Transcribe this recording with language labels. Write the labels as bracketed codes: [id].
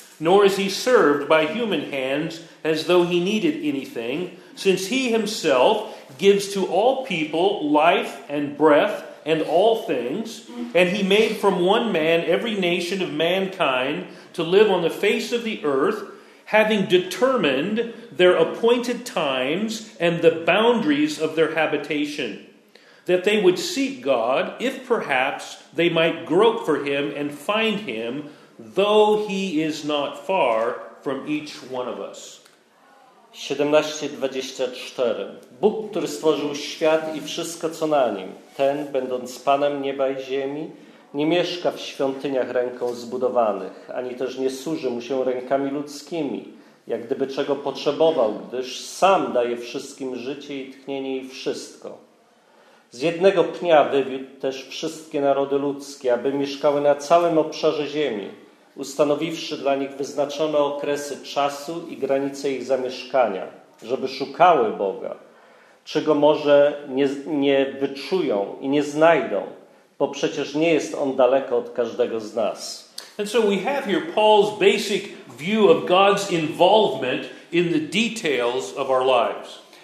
[en] Nor is he served by human hands as though he needed anything, since he himself gives to all people life and breath and all things, and he made from one man every nation of mankind to live on the face of the earth, having determined their appointed times and the boundaries of their habitation, that they would seek God, if perhaps they might grope for him and find him, though he is not far from each one of us. [pl] 17:24. Bóg, który stworzył świat i wszystko, co na nim, ten, będąc Panem nieba i ziemi, nie mieszka w świątyniach ręką zbudowanych, ani też nie służy mu się rękami ludzkimi, jak gdyby czego potrzebował, gdyż sam daje wszystkim życie i tchnienie i wszystko. Z jednego pnia wywiódł też wszystkie narody ludzkie, aby mieszkały na całym obszarze ziemi, ustanowiwszy dla nich wyznaczone okresy czasu i granice ich zamieszkania, żeby szukały Boga, czego może nie wyczują i nie znajdą, bo przecież nie jest on daleko od każdego z nas. [en] And so we have here Paul's basic view of God's involvement in the details of our lives.